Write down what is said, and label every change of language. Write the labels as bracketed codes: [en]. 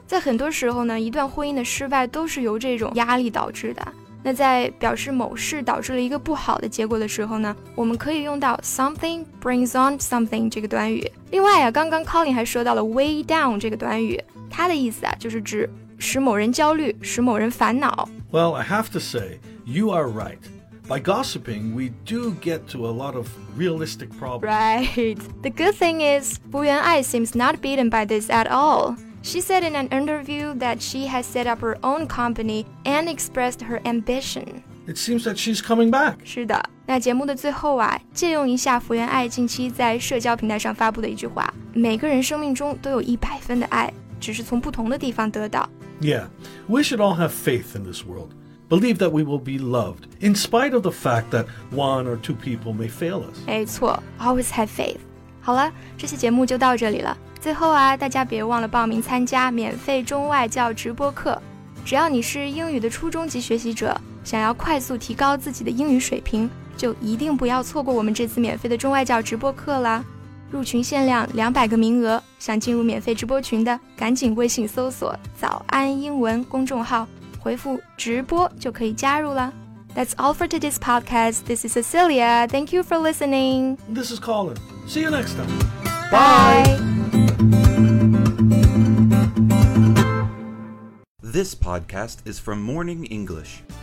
[zh] 在很多时候呢，一段婚姻的失败都是由这种压力导致的。那在表示某事导致了一个不好的结果的时候呢，我们可以用到 [en] something brings on something [zh] 这个短语。另外啊，刚刚 Colin 还说到了 weigh down 这个短语，它的意思啊，就是指使某人焦虑，使某人烦恼。 [en] Well, I have to say, you are right. By gossiping, we do get to a lot of realistic problems. Right. The good thing is, 福原爱 seems not beaten by this at all. She said in an interview that she has set up her own company and expressed her ambition. It seems that she's coming back. [zh] 是的，那节目的最后啊，借用一下福原爱近期在社交平台上发布的一句话：每个人生命中都有100分的爱，只是从不同的地方得到。 [en] Yeah, we should all have faith in this world. Believe that we will be loved, in spite of the fact that one or two people may fail us. 没错 ，always have faith. [zh] 好了，这期节目就到这里了。最后啊，大家别忘了报名参加免费中外教直播课。只要你是英语的初中级学习者，想要快速提高自己的英语水平，就一定不要错过我们这次免费的中外教直播课啦！入群限量200个名额，想进入免费直播群的，赶紧微信搜索“早安英文”公众号，回复“直播”就可以加入了。 [en] That's all for today's podcast. This is Cecilia. Thank you for listening. This is Colin. See you next time. Bye. This podcast is from Morning English.